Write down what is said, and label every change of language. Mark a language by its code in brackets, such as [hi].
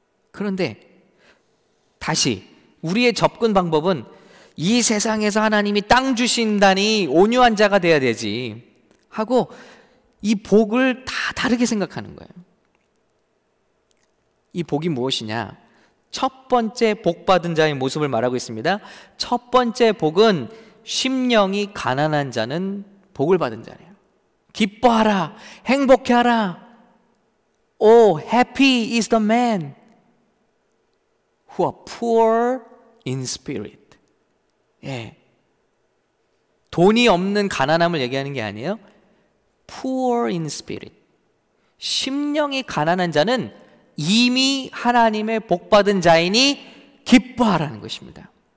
[ko] 그런데 다시 우리의 접근 방법은 이 세상에서 하나님이 땅 주신다니 온유한 자가 돼야 되지 하고 이 복을 다 다르게 생각하는 거예요. 이 복이 무엇이냐? 첫 번째 복받은 자의 모습을 말하고 있습니다. 첫 번째 복은 심령이 가난한 자는 복을 받은 자래요. 기뻐하라, 행복해하라. [en] Oh, happy is the man who are poor in spirit. [ko] 예, 돈이 없는 가난함을 얘기하는 게 아니에요. [en] Poor in spirit. [ko] 심령이 가난한 자는 이미 하나님의 복받은 자이니 기뻐하라는 것입니다.